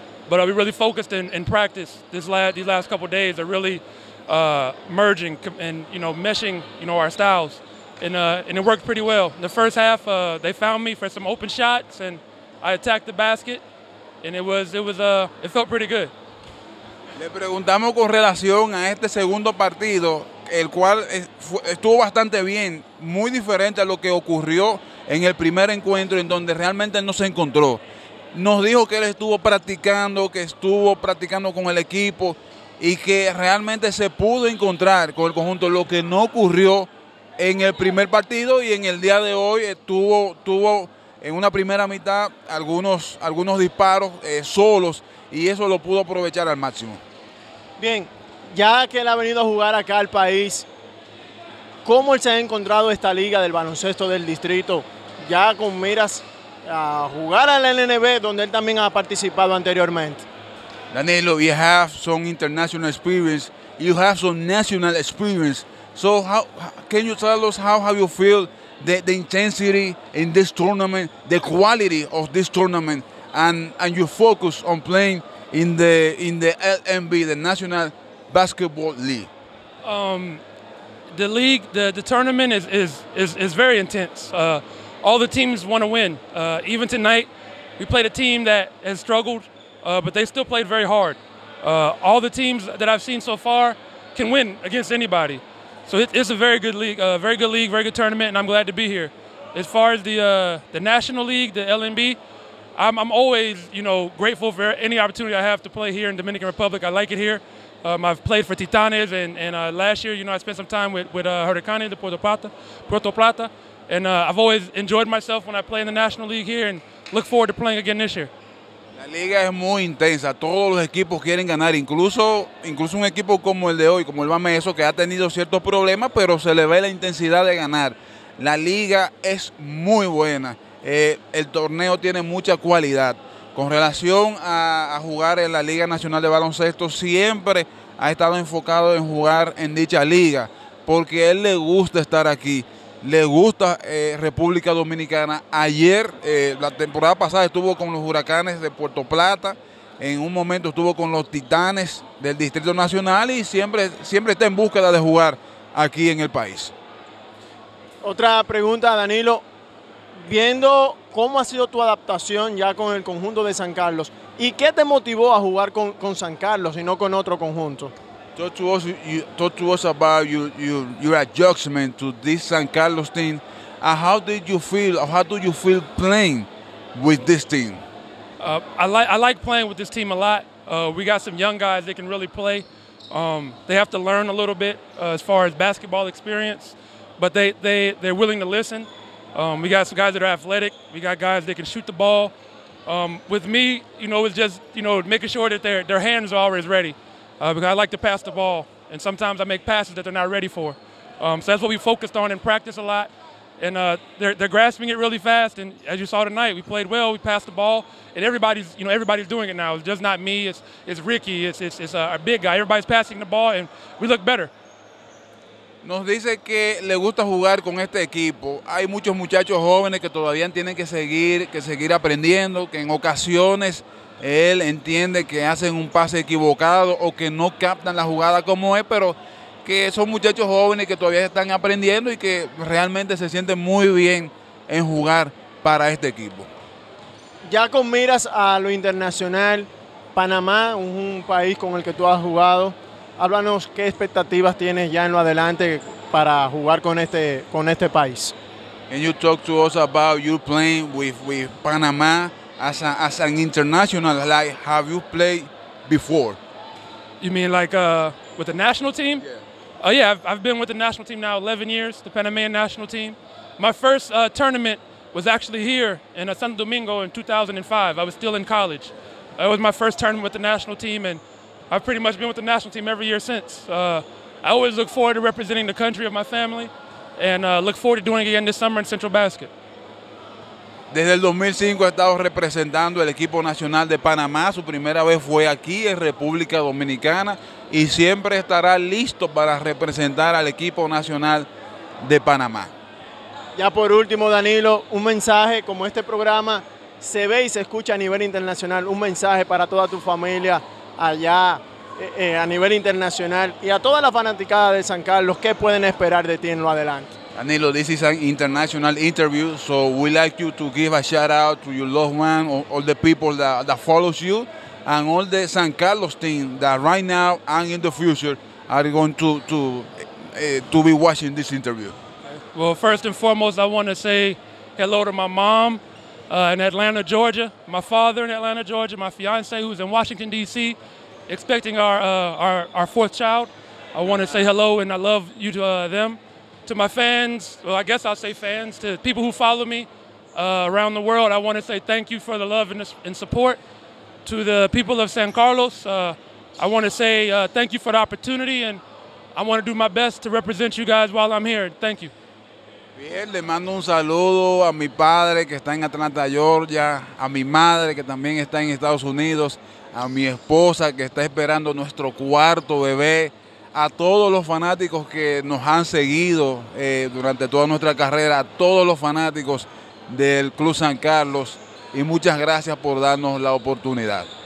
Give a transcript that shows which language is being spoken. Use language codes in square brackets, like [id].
[en] But we really focused in practice these last couple of days are really merging and, you know, meshing, you know, our styles. And it worked pretty well. In the first half, they found me for some open shots, and I attacked the basket, and it felt pretty good. [es] Le preguntamos con relación a este segundo partido, el cual estuvo bastante bien, muy diferente a lo que ocurrió en el primer encuentro, en donde realmente no se encontró. Nos dijo que él estuvo practicando, que estuvo practicando con el equipo y que realmente se pudo encontrar con el conjunto, lo que no ocurrió en el primer partido, y en el día de hoy tuvo en una primera mitad algunos disparos solos, y eso lo pudo aprovechar al máximo. Bien, ya que él ha venido a jugar acá al país, ¿cómo él se ha encontrado esta liga del baloncesto del distrito? Ya con miras a jugar a la NNB, donde él también ha participado anteriormente. [en] Danilo, you have some international experience, you have some national experience. So how can you tell us how you feel the intensity in this tournament, the quality of this tournament, and you focus on playing in the LNB, the National Basketball League? The league, the tournament is very intense. All the teams want to win. Even tonight, we played a team that has struggled, but they still played very hard. All the teams that I've seen so far can win against anybody. So it's a very good league, very good tournament, and I'm glad to be here. As far as the National League, the LNB, I'm always, you know, grateful for any opportunity I have to play here in Dominican Republic. I like it here. I've played for Titanes, and last year, you know, I spent some time with Huracanes de Puerto Plata, and I've always enjoyed myself when I play in the National League here, and look forward to playing again this year. [es] La liga es muy intensa. Todos los equipos quieren ganar, incluso un equipo como el de hoy, como el Bameso, que ha tenido ciertos problemas, pero se le ve la intensidad de ganar. La liga es muy buena. El torneo tiene mucha cualidad. Con relación a jugar en la Liga Nacional de Baloncesto, siempre ha estado enfocado en jugar en dicha liga, porque a él le gusta estar aquí, le gusta República Dominicana. Ayer, la temporada pasada, estuvo con los Huracanes de Puerto Plata, en un momento estuvo con los Titanes del Distrito Nacional, y siempre está en búsqueda de jugar aquí en el país. Otra pregunta, Danilo. Viendo cómo ha sido tu adaptación ya con el conjunto de San Carlos, ¿y qué te motivó a jugar con San Carlos y no con otro conjunto? [en] Talk to us about your adjustment to this San Carlos team. How did you feel, or how do you feel playing with this team? I like playing with this team a lot. We got some young guys that can really play. They have to learn a little bit as far as basketball experience, but they're willing to listen. We got some guys that are athletic. We got guys that can shoot the ball. With me, you know, it's just, you know, making sure that their hands are always ready, because I like to pass the ball, and sometimes I make passes that they're not ready for. So that's what we focused on in practice a lot, and they're grasping it really fast. And as you saw tonight, we played well. We passed the ball, and everybody's doing it now. It's just not me. It's Ricky. It's our big guy. Everybody's passing the ball, and we look better. [es] Nos dice que le gusta jugar con este equipo. Hay muchos muchachos jóvenes que todavía tienen que seguir aprendiendo, que en ocasiones él entiende que hacen un pase equivocado o que no captan la jugada como es, pero que son muchachos jóvenes que todavía están aprendiendo y que realmente se sienten muy bien en jugar para este equipo. Ya con miras a lo internacional, Panamá, un país con el que tú has jugado, háblanos qué expectativas tienes ya en lo adelante para jugar con este país. [en] Can you talk to us about you playing with Panama as an international? Like, have you played before? You mean like with the national team? Yeah. Yeah, I've been with the national team now 11 years, the Panamanian national team. My first tournament was actually here in Santo Domingo in 2005. I was still in college. It was my first tournament with the national team, and I've pretty much been with the national team every year since. I always look forward to representing the country of my family, and look forward to doing it again this summer in Central Basket. [es] Desde el 2005 ha estado representando el equipo nacional de Panamá. Su primera vez fue aquí en República Dominicana y siempre estará listo para representar al equipo nacional de Panamá. Ya por último, Danilo, un mensaje como este programa se ve y se escucha a nivel internacional, un mensaje para toda tu familia allá a nivel internacional y a toda la fanaticada de San Carlos, ¿qué pueden esperar de ti en lo adelante? [en] Danilo, this is an international interview, so we like you to give a shout out to your loved one, all the people that follows you, and all the San Carlos team that right now and in the future are going to be watching this interview. Well, first and foremost, I want to say hello to my mom in Atlanta, Georgia, my father in Atlanta, Georgia, my fiance who's in Washington, D.C., expecting our fourth child. I want to say hello and I love you to them. To my fans, well, I guess I'll say fans, to people who follow me around the world, I want to say thank you for the love and support. To the people of San Carlos, I want to say thank you for the opportunity, and I want to do my best to represent you guys while I'm here. Thank you. [es] Bien, le mando un saludo a mi padre que está en Atlanta, Georgia, a mi madre que también está en Estados Unidos, a mi esposa que está esperando nuestro cuarto bebé, a todos los fanáticos que nos han seguido durante toda nuestra carrera, a todos los fanáticos del Club San Carlos, y muchas gracias por darnos la oportunidad.